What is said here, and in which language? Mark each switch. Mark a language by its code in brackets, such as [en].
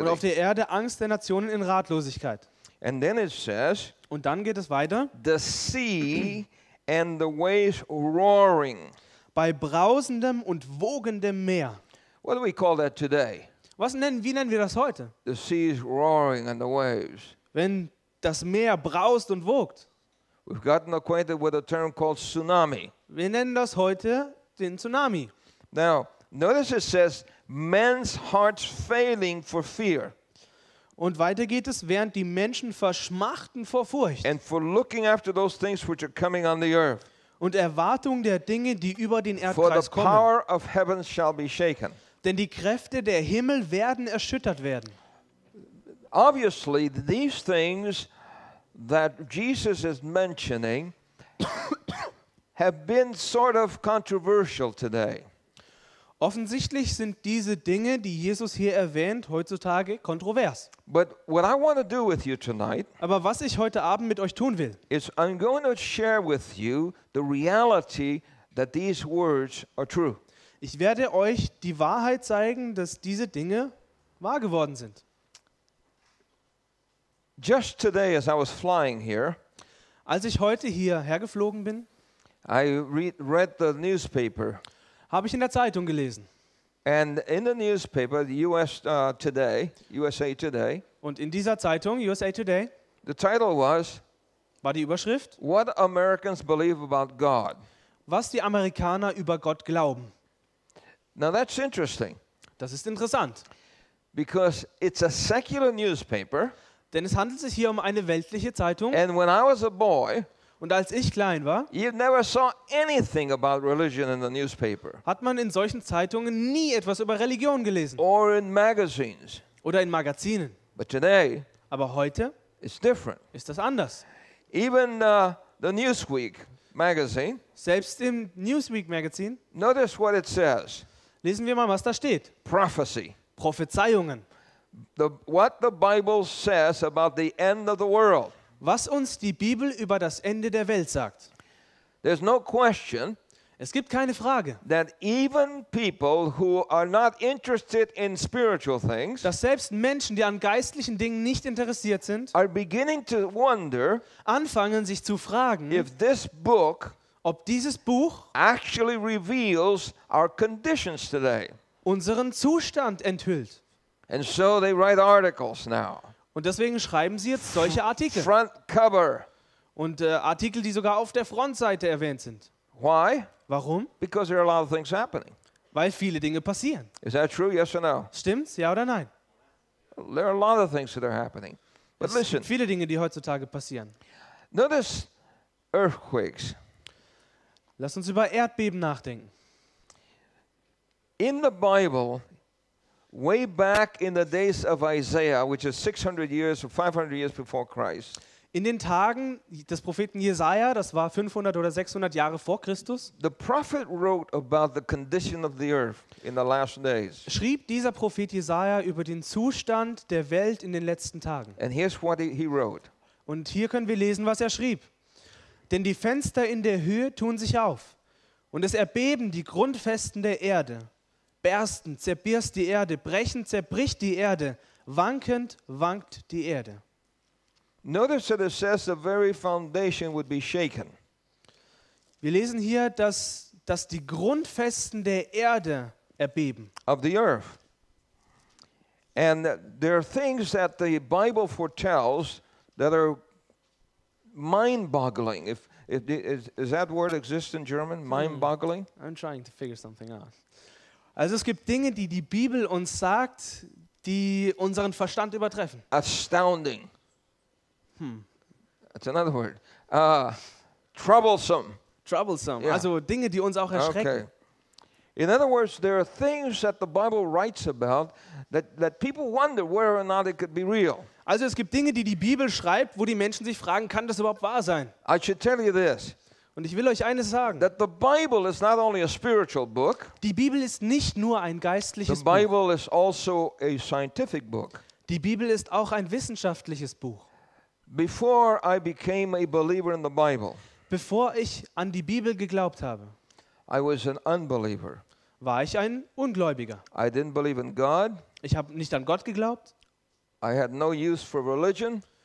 [de] Und auf der Erde Angst der Nationen in Ratlosigkeit. [en] And then it says. [de] Und dann geht es weiter. [en] The sea and the waves roaring. [de] Bei brausendem und wogendem Meer. [en] What do we call that today? [de] Wie nennen wir das heute? [en] The sea is roaring and the waves. [de] Wenn das Meer braust und wogt. [en] We've gotten acquainted with a term called tsunami. [de] Wir nennen das heute den Tsunami. [en] Now, notice it says, men's hearts failing for fear. [de] Und weiter geht es, während die Menschen verschmachten vor Furcht. [en] And for looking after those things which are coming on the earth. [de] Und Erwartung der Dinge, die über den Erdkreis kommen. [en] For the power of heaven shall be shaken. [de] Denn die Kräfte der Himmel werden erschüttert werden. [en] Obviously, these things that Jesus is mentioning have been sort of controversial today. [de] Offensichtlich sind diese Dinge, die Jesus hier erwähnt, heutzutage kontrovers. [en] But what I want to do with you tonight, [de] aber was ich heute Abend mit euch tun will, [en] is I'm going to share with you the reality that these words are true. [de] Ich werde euch die Wahrheit zeigen, dass diese Dinge wahr geworden sind. [en] Just today as I was flying here, [de] als ich heute hierher geflogen bin, [en] I read the newspaper. [de] Habe ich in der Zeitung gelesen. [en] And in the newspaper, the US Today, USA Today. [de] Und in dieser Zeitung, USA Today. [en] The title was. [de] War die Überschrift. [en] What Americans believe about God. [de] Was die Amerikaner über Gott glauben. [en] Now that's interesting. [de] Das ist interessant. [en] Because it's a secular newspaper. [de] Denn es handelt sich hier um eine weltliche Zeitung. [en] And when I was a boy. [de] Und als ich klein war, [en] you never saw anything about religion in the newspaper. [de] Hat man in solchen Zeitungen nie etwas über Religion gelesen. [en] Or in magazines. [de] Oder in Magazinen. [en] But today, [de] aber heute, [en] it's different. [de] Ist das anders. [en] Even the Newsweek magazine. [de] Selbst im Newsweek Magazin. [en] Notice what it says. [de] Lesen wir mal, was da steht. [en] Prophecy. [de] Prophezeiungen. [en] What the Bible says about the end of the world. [de] Was uns die Bibel über das Ende der Welt sagt. [en] There's no question. [de] Es gibt keine Frage. [en] That even people who are not interested in spiritual things. [de] Dass selbst Menschen, die an geistlichen Dingen nicht interessiert sind. [en] Are beginning to wonder. [de] Anfangen sich zu fragen. [en] If this book. [de] Ob dieses Buch. [en] Actually reveals our conditions today. [de] Unseren Zustand enthüllt. [en] And so they write articles now. [de] Und deswegen schreiben sie jetzt solche Artikel. [en] Front cover. [de] Und Artikel, die sogar auf der Frontseite erwähnt sind. [en] Why? [de] Warum? [en] Because there are a lot of things happening. [de] Weil viele Dinge passieren. [en] Is that true? Yes or no? [de] Stimmt's? Ja oder nein? [en] There are a lot of things that are happening. But [de] es [en] listen. [de] Viele Dinge, die heutzutage passieren. [en] Notice earthquakes. [de] Lass uns über Erdbeben nachdenken. [en] In the Bible, way back in the days of Isaiah, which is 600 years or 500 years before Christ. [de] In den Tagen des Propheten Jesaja, das war 500 oder 600 Jahre vor Christus. [en] The prophet wrote about the condition of the earth in the last days. [de] Schrieb dieser Prophet Jesaja über den Zustand der Welt in den letzten Tagen. [en] And here's what he wrote. [de] Und hier können wir lesen, was er schrieb. Denn die Fenster in der Höhe tun sich auf und es erbeben die Grundfesten der Erde. Bersten, zerbirst die Erde, brechen, zerbricht die Erde, wankend, wankt die Erde. [en] Notice that it says the very foundation would be shaken. [de] Wir lesen hier, dass die Grundfesten der Erde erbeben. [en] Of the earth. And there are things that the Bible foretells that are mind-boggling. Is that word exist in German? Mind-boggling? I'm trying to figure something out. [de] Also es gibt Dinge, die Bibel uns sagt, die unseren Verstand übertreffen. [en] Astounding. Hm. That's another word. Troublesome. Troublesome. Yeah. [de] Also Dinge, die uns auch erschrecken. [en] Okay. In other words, there are things that the Bible writes about that people wonder whether or not it could be real. [de] Also es gibt Dinge, die Bibel schreibt, wo die Menschen sich fragen, kann das überhaupt wahr sein? [en] I should tell you this. [de] Und ich will euch eines sagen. [en] That the Bible is not only a spiritual book. [de] Die Bibel ist nicht nur ein geistliches Buch. [en] The Bible is also a scientific book. [de] Die Bibel ist auch ein wissenschaftliches Buch. [en] Before I became a believer in the Bible. [de] Bevor ich an die Bibel geglaubt habe. [en] I was an unbeliever. [de] War ich ein Ungläubiger. [en] I didn't believe in God. [de] Ich habe nicht an Gott geglaubt. [en] I had no use for religion.